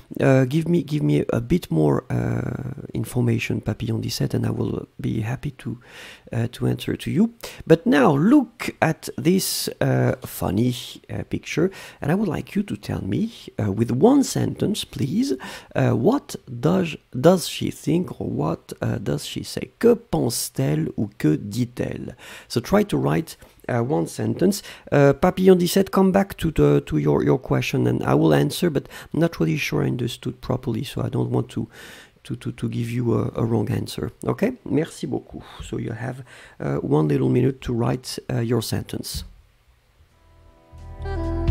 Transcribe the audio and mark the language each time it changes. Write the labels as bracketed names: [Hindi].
[English] Give me a bit more information, Papillon 17, and I will be happy to answer to you. But now look at this funny picture, and I would like you to tell me with one sentence, please, what does she think, or what does she say? [French] Que pense-t-elle ou que dit-elle? [English] So try to write one sentence. Papillon 17, come back to your question and I will answer, but I'm not really sure I understood properly, so I don't want to give you a wrong answer. Okay, merci beaucoup. So you have one little minute to write your sentence. We'll be right back.